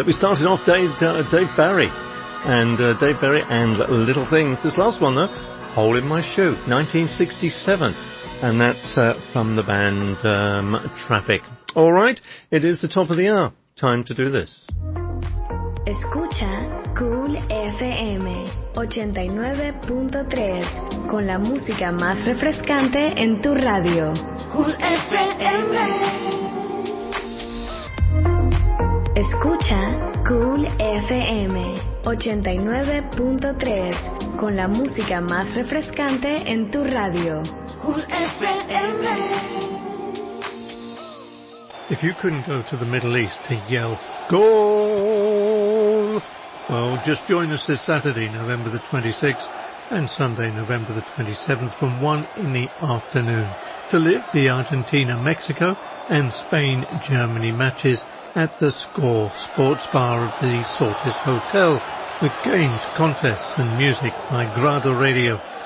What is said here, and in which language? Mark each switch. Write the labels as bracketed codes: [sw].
[en] We started off Dave Barry and Little Things. This last one, though, Hole in My Shoe, 1967. And that's from the band Traffic. All right, it is the top of the hour. Time to do this. [es] Escucha Cool FM 89.3 con la música más refrescante en tu radio. Cool FM. Escucha Cool FM 89.3 con la música más refrescante en tu radio. Cool FM. [en] If you couldn't go to the Middle East to yell goal, well, just join us this Saturday, November the 26th, and Sunday, November the 27th, from 1 in the afternoon to live the Argentina-Mexico and Spain-Germany matches at the Score Sports Bar of the Sortis Hotel, with games, contests and music by Grado Radio.